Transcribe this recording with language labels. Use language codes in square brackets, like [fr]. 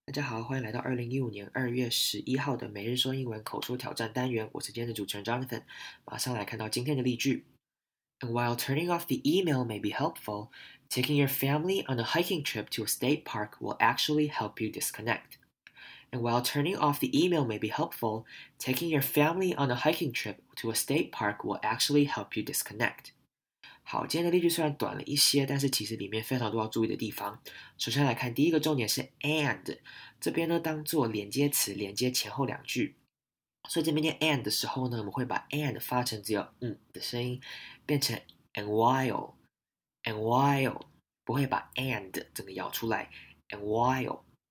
[zh] 大家好，欢迎来到2015年2月11号的每日说英文口说挑战单元。我是今天的主持人 Jonathan。马上来看到今天的例句。 [en] And while turning off the email may be helpful, taking your family on a hiking trip to a state park will actually help you disconnect. And while turning off the email may be helpful, taking your family on a hiking trip to a state park will actually help you disconnect. [zh] 好，今天的例句虽然短了一些，但是其实里面非常多要注意的地方。首先来看第一个重点是 and， 这边呢当做连接词连接前后两句。所以这边念 and 的时候呢，我们会把 and 发成只有嗯的声音，变成 [en] and while， [zh] 不会把 and 整个咬出来 and while。